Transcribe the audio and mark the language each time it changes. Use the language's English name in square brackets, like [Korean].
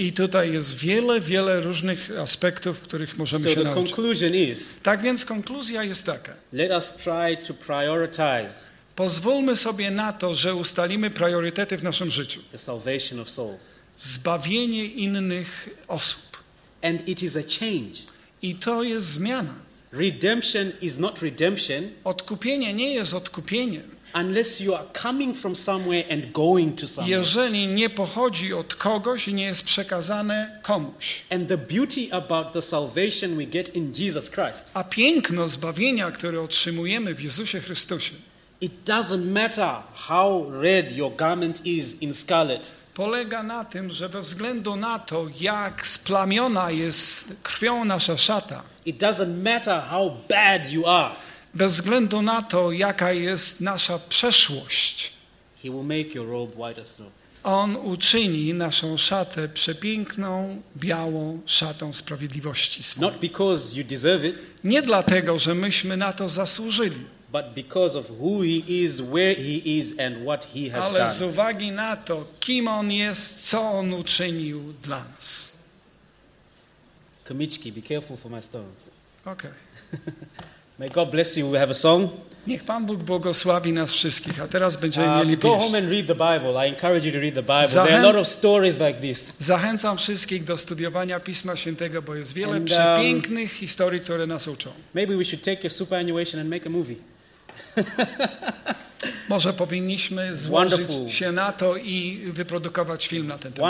[Polish] I tutaj jest wiele, wiele różnych aspektów, których możemy [English] so [Polish] się [English] the [Polish] nauczyć. [English] Conclusion is, [Polish] tak więc konkluzja jest taka. [English] Let us try to prioritize. [Polish] Pozwólmy sobie na to, że ustalimy priorytety w naszym życiu. [English] The salvation of souls. [Polish] Zbawienie innych osób. [English] And it is a change. [Polish] I to jest zmiana. [English] Redemption is not redemption. [Polish] Odkupienie nie jest odkupieniem. [English] Unless you are coming from somewhere and going to somewhere. [Polish] Jeżeli nie pochodzi od kogoś i nie jest przekazane komuś. [English] And the beauty about the salvation we get in Jesus Christ. [Polish] A piękno zbawienia, które otrzymujemy w Jezusie Chrystusie. [English] It doesn't matter how red your garment is in scarlet. [Polish] Polega na tym, że bez względu na to, jak splamiona jest krwią nasza szata, [English] it doesn't matter how bad you are, [Polish] bez względu na to, jaka jest nasza przeszłość, [English] he will make your robe white as snow. [Polish] On uczyni naszą szatę przepiękną, białą szatą sprawiedliwości swojej. [English] Not because you deserve it, [Polish] nie dlatego, że myśmy na to zasłużyli. [English] But because of who he is, where he is, and what he has [Polish] ale [English] done. [Polish] Z uwagi na to, kim on jest, co on uczynił dla nas. [English] Kamiczki, be careful for my stones. Okay. May God bless you. We have a song. [Polish] Niech Pan Bóg błogosławi nas wszystkich. A teraz będziemy mieli [English] go home and read the Bible. I encourage you to read the Bible. There are a lot of stories like this. [Polish] Zachęcam wszystkich do studiowania Pisma Świętego, bo jest wiele przepięknych historii, które nas uczą. [English] Maybe we should take your superannuation and make a movie. [Polish] Może powinniśmy złożyć się na to i wyprodukować film na ten temat.